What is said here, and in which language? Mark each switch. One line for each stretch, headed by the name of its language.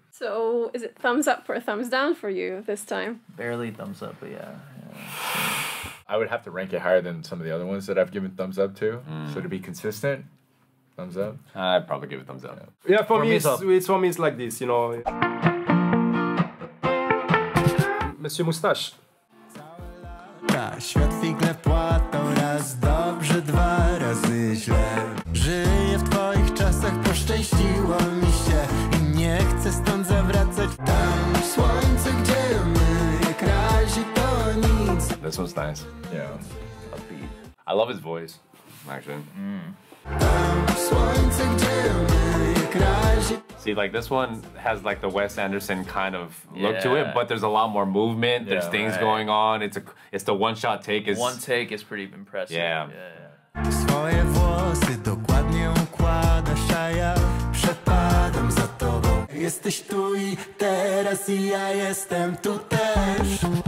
English: So is it thumbs up or thumbs down for you this time? Barely thumbs up, but yeah. I would have to rank it higher than some of the other ones that I've given thumbs up to. Mm. So to be consistent, thumbs up. I'd probably give it thumbs up. Yeah, for me, it's like this, you know. Monsieur Moustache.
Polish: Tak, świat figle płatą raz dobrze, dwa razy źle. Żyję w twoich czasach, poszczęściło mi się i nie chcę stąd zawracać. Tam słońce, gdzie my, jak razie to nic.
English: This one's nice. Yeah. Upbeat. I love his voice, actually.
Polish: Tam słońce, gdzie my, jak razie.
English: See, like, this one has like the Wes Anderson kind of look to it, but there's a lot more movement. Yeah, there's things going on. It's the one shot take. One take is pretty impressive. Yeah.
Polish: Swoje włosy dokładnie układasz, a ja przepadam za tobą. Jesteś tu i teraz i ja jestem tu też.